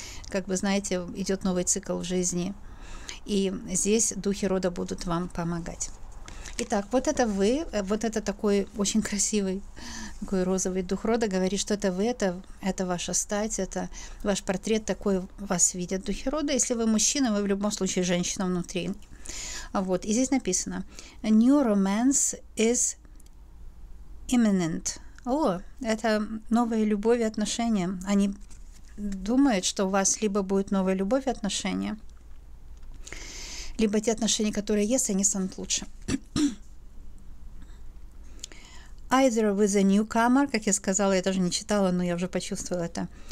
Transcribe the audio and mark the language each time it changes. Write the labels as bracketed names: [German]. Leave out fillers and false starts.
[Russian] Как вы знаете, идет новый цикл в жизни. И здесь духи рода будут вам помогать. Итак, вот это вы, вот это такой очень красивый, такой розовый дух рода говорит, что это вы, это ваша стать, это ваш портрет, такой вас видят духи рода. Если вы мужчина, вы в любом случае женщина внутри. Вот, и здесь написано, [English] a new romance is imminent. [Russian] О, это новые любовь и отношения. Они думают, что у вас либо будет новая любовь и отношения, либо те отношения, которые есть, они станут лучше. [English] Either with a newcomer, [Russian] как я сказала, я даже не читала, но я уже почувствовала это.